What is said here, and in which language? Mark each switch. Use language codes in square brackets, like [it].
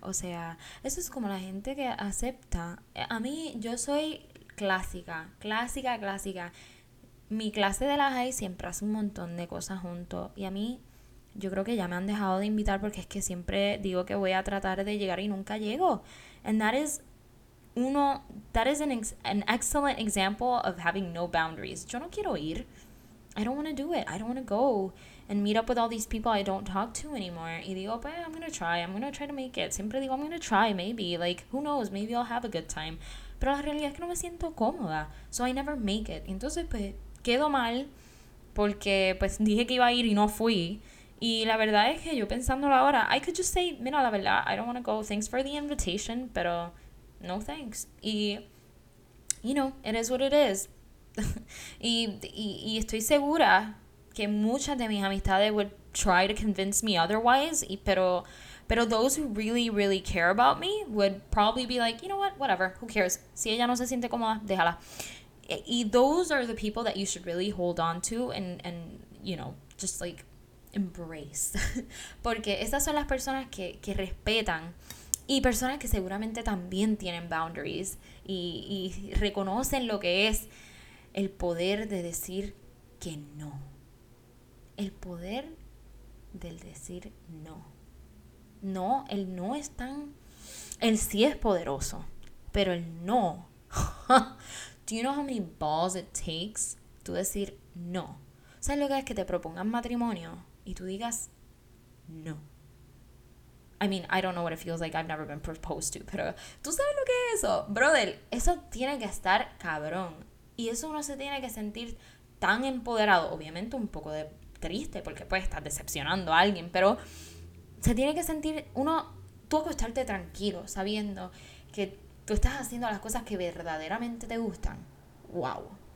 [es] O sea, eso es como la gente que acepta. A mí, yo soy clásica, clásica, clásica. Mi clase de la high siempre hace un montón de cosas juntos. Y a mí, yo creo que ya me han dejado de invitar porque es que siempre digo que voy a tratar de llegar y nunca llego. [en] And that is an excellent example of having no boundaries. [es] Yo no quiero ir. [en] I don't want to do it. I don't want to go and meet up with all these people I don't talk to anymore. [es] Y digo, pues, [en] I'm going to try. I'm going to try to make it. [es] Siempre digo, [en] I'm going to try, maybe. Like, who knows? Maybe I'll have a good time. [es] Pero la realidad es que no me siento cómoda. [en] So I never make it. [es] Entonces, pues, quedo mal porque, pues, dije que iba a ir y no fui. Y la verdad es que yo pensándolo ahora, [en] I could just say, [es] mira, la verdad, [en] I don't want to go. Thanks for the invitation, [es] pero no [en] thanks. Y, you know, it is what it is. [es] y estoy segura que muchas de mis amistades [en] would try to convince me otherwise, [es] y pero [en] those who really, really care about me would probably be like, you know what, whatever, who cares, [es] si ella no se siente cómoda, déjala. [en] Y those are the people that you should really hold on to and you know, just like embrace, [es] porque esas son las personas que respetan. Y personas que seguramente también tienen boundaries y reconocen lo que es el poder de decir que no. El poder del decir no. No, el no es tan... El sí es poderoso, pero el no... [en] Do you know how many balls it takes to [es] decir no? ¿Sabes lo que es que te propongan matrimonio y tú digas no? [en] I mean, I don't know what it feels like. I've never been proposed to, [es] pero... ¿Tú sabes lo que es eso? Brother, eso tiene que estar cabrón. Y eso uno se tiene que sentir tan empoderado. Obviamente un poco de triste porque puede estar decepcionando a alguien, pero se tiene que sentir uno, tú acostarte tranquilo sabiendo que tú estás haciendo las cosas que verdaderamente te gustan. Wow.